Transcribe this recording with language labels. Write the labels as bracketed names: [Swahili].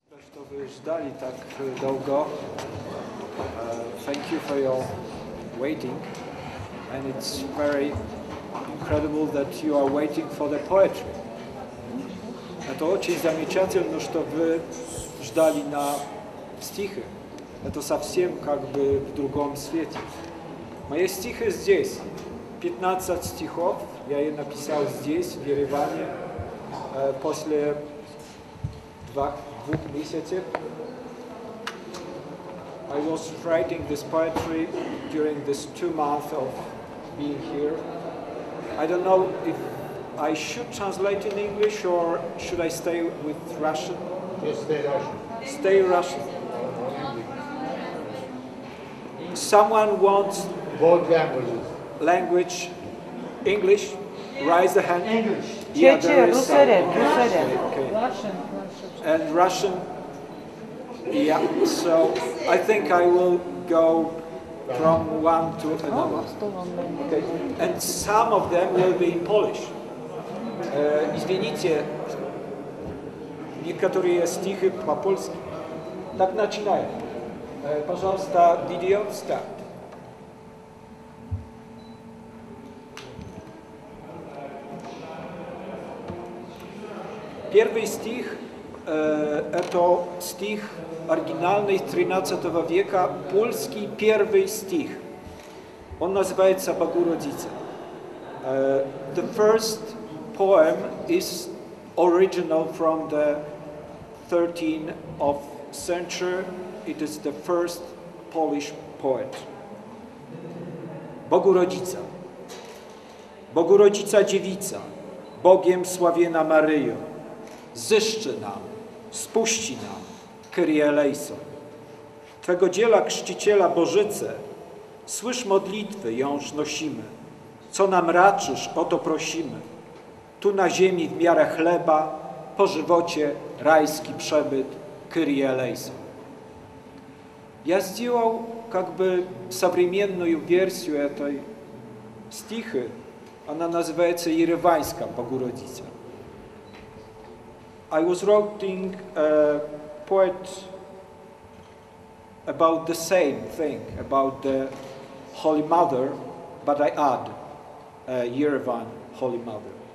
[Polish] kto wyjeżdżali tak długo. [English] Thank you for your waiting. And it's very incredible that you are waiting for the poetry. [Russian] A to очень замечательно, что вы ждали на стихи. Это совсем как бы в другом свете. Мои стихи здесь. 15 стихов я ей написал здесь, в Ереване, после двух месяцев. [English] I was writing this poetry during this 2 months of being here. I don't know if I should translate in English or should I stay with Russian? Just stay Russian. Stay Russian. Someone wants both languages. Language English, raise the hand. English. Yeah, there is Russian. Okay. Russian. Russian. Okay. Russian. And Russian. Yeah, so I think I will go from one to another. Okay. And some of them will be in Polish. [Russian] Извините, некоторые стихи по-польски. Так начинаем. Пожалуйста, Didio, start. Первый стих – это стих оригинальный 13 века, польский первый стих. Он называется «Богородица». [English] The first poem is original from the 13th of century. It is the first Polish poet. Богородица. [Polish] Богородица Dziewica, Bogiem sławiona Maryjo. Zyszczy nam, spuści nam, Kyrie eleison. Twego dziela Chrzciciela Bożyce, słysz modlitwy, jąż nosimy. Co nam raczysz, o to prosimy. Tu na ziemi w miarę chleba, po żywocie rajski przebyt, Kyrie eleison. [Russian] Ja сделал как бы современную версию этой стихи. Она называется Ереванская Богородица. [English] I was writing a poet about the same thing, about the Holy Mother, but I add Yerevan Holy Mother.